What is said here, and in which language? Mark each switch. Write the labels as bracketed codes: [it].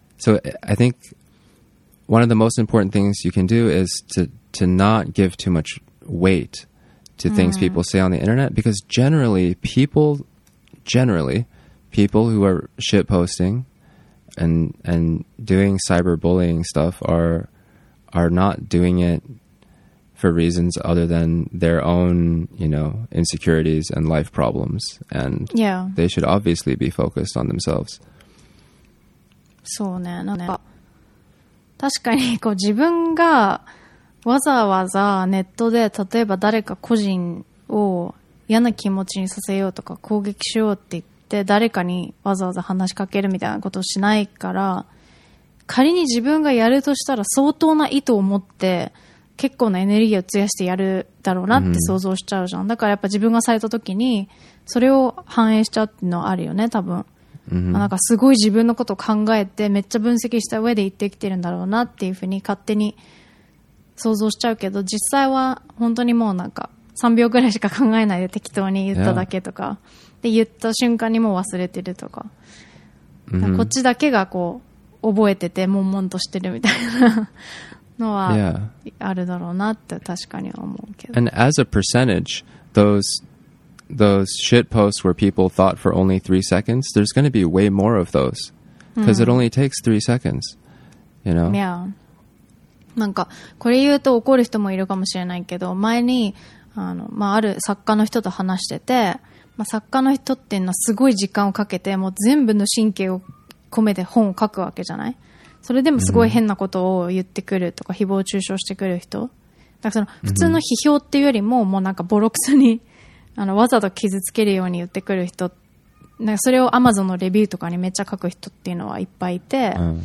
[en] So I think one of the most important things you can do is to not give too much weight to things people say on the internet, because generally people who are shitposting and doing cyberbullying stuff are not doing it for reasons other than their own, you know, insecurities and life problems. And they should obviously be focused on themselves. [ja] そうね、なんか確かにこう自分がわざわざネットで例えば誰か個人を嫌な気持ちにさせようとか攻撃しようって言って誰かにわざわざ話しかけるみたいなことをしないから、仮に自分がやるとしたら相当な意図を持って結構なエネルギーを費やしてやるだろうなって想像しちゃうじゃん、だからやっぱ自分がされた時にそれを反映しちゃうっていうのはあるよね多分。なんかすごい自分のことを考えてめっちゃ分析した上で言ってきてるんだろうなっていうふうに勝手に想像しちゃうけど、実際は本当にもうなんか3秒ぐらいしか考えないで適当に言っただけとか、で言った瞬間にもう忘れてるとか、だからこっちだけがこう覚えてて悶々としてるみたいなのはあるだろうなって確かに思うけど、 [en] And as a percentage, those shit posts where people thought for only 3 seconds, there's going to be way more of those because it only takes 3 seconds, you know? Yeah. [ja] なんかこれ言うと怒る人もいるかもしれないけど、前にある作家の人と話してて、作家の人っていうのはすごい時間をかけてもう全部の神経を込めて本を書くわけじゃない、それでもすごい変なことを言ってくるとか誹謗中傷してくる人、だからその普通の批評っていうよりも、もうなんかボロクソにわざと傷つけるように言ってくる人、なんかそれをアマゾンのレビューとかにめっちゃ書く人っていうのはいっぱいいて、